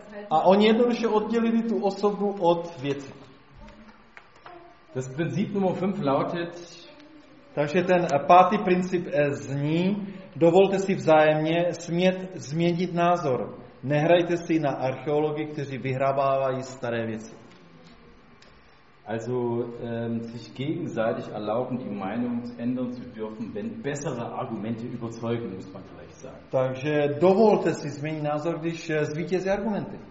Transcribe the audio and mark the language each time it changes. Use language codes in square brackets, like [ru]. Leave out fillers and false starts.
[cs] A oni jednoduše oddělili tu osobu od věci. [de] Das Prinzip Nummer 5 lautet. [cs] Takže ten pátý princip zní, dovolte si vzájemně smět změnit názor. Nehrajte si na archeology, kteří vyhrabávají staré věci. [de] Also sich gegenseitig erlauben, die Meinung ändern zu dürfen, wenn bessere Argumente überzeugen, muss man vielleicht sagen. [cs] Takže dovolte si změnit názor, když zvítězí argumenty.